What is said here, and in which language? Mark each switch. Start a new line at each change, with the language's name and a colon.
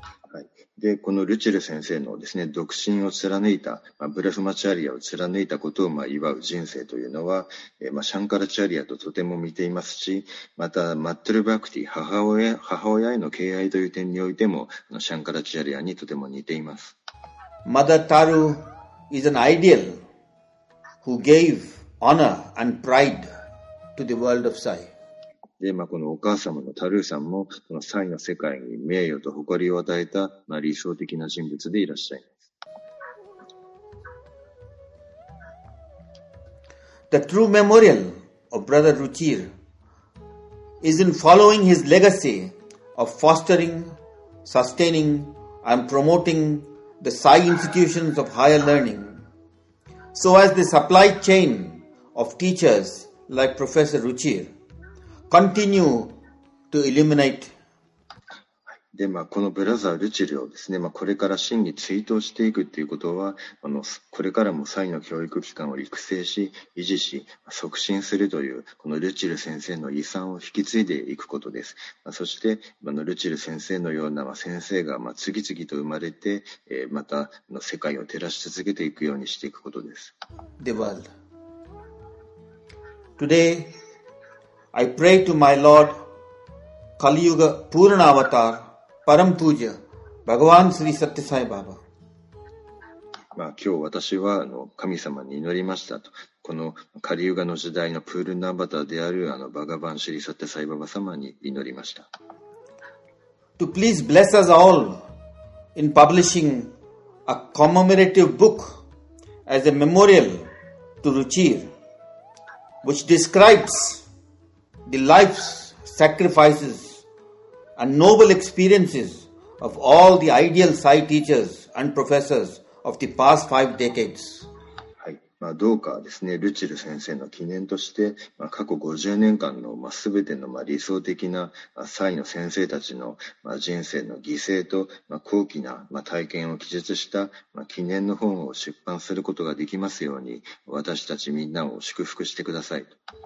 Japanese: はい、でこのルチル先生のですね、独身を貫いた、まあ、ブラフマチャリアを貫いたことを、まあ、祝う人生というのは、まあ、シャンカラチャリアととても似ていますし、またマットルバクティ、母親への敬愛という点においてもシャンカラチャリアにとても似ています。
English: Mother Taru is an ideal who gave honor and pride to the world of Sai.
Japanese: で、まあ、このお母様のタルーさんも、そのサイの世界に名誉と誇りを与えた、まあ、理想的な人物でいらっしゃいます。
English: The true memorial of Brother Ruchir is in following his legacy of fostering, sustaining and promoting the Sai institutions of higher learning, so as the supply chain of teachers like Professor Ruchir.Continue to illuminate.
Japanese: で、まあ、このブラザールチルをですね、まあ、これから真に追悼していくということは、これからもサイの教育機関を育成し維持し促進するというこのルチル先生の遺産を引き継いでいくことです。まあ、そしてあのルチル先生のような、まあ、先生が、まあ、次々と生まれて、またの世界を照らし続けていくようにしていくことです。
English: The world. Today I pray to my Lord Kali Yuga Purana Avatar Param Pooja Bhagavan Sri Satya Sai Baba。
Japanese: まあ、今日私は神様に祈りましたと、このカリユガの時代のプールナバタであるバガバンシリサッテサイババ様に祈りました。
English: To please bless us all in publishing a commemorative book as a memorial to Ruchir, which describes the life's sacrifices and noble experiences of all the ideal Sai teachers and professors. Of the past five decades.
Japanese: はい、まあ、どうかですね、ルチル先生の記念として、まあ、過去50年間の、まあ、全ての、まあ、理想的な、まあ、サイの先生たちの、まあ、人生の犠牲と、まあ、高貴な、まあ、体験を記述した、まあ、記念の本を出版することができますように私たちみんなを祝福してくださいと。